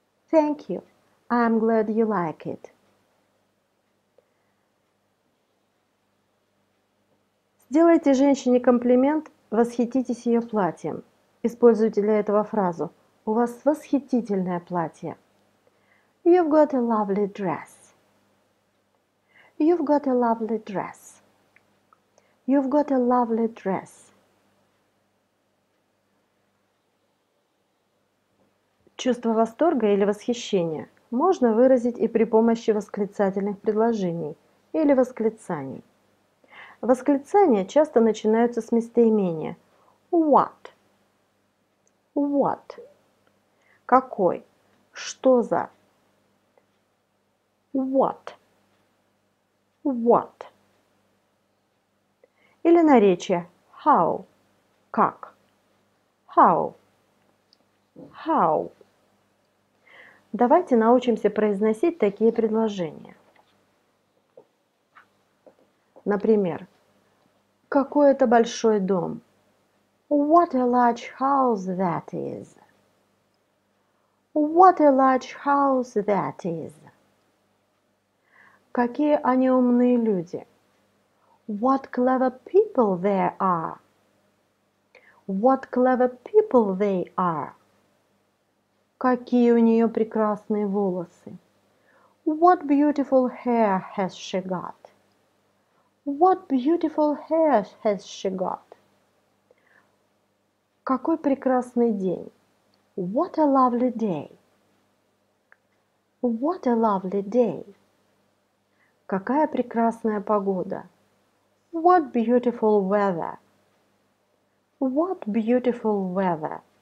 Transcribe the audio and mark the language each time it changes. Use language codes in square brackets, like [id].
[en] Thank you. I'm glad you like it. [ru] Сделайте женщине комплимент, восхититесь ее платьем. Используйте для этого фразу. У вас восхитительное платье. [en] You've got a lovely dress. You've got a lovely dress. You've got a lovely dress. [ru] Чувство восторга или восхищения можно выразить и при помощи восклицательных предложений или восклицаний. Восклицания часто начинаются с местоимения what. [en] What. [ru] Какой? Что за? [en] What. What. [ru] Или наречие how. Как? How. [en] How. [ru] Давайте научимся произносить такие предложения. Например, какой это большой дом? [en] What a large house that is. What a large house that is. [ru] Какие они умные люди? [en] What clever people they are. What clever people they are. [ru] Какие у нее прекрасные волосы? [en] What beautiful hair has she got? What beautiful hair has she got? [ru] Какой прекрасный день? [en] What a lovely day. What a lovely day. [ru] Какая прекрасная погода? [en] What beautiful weather. What beautiful weather.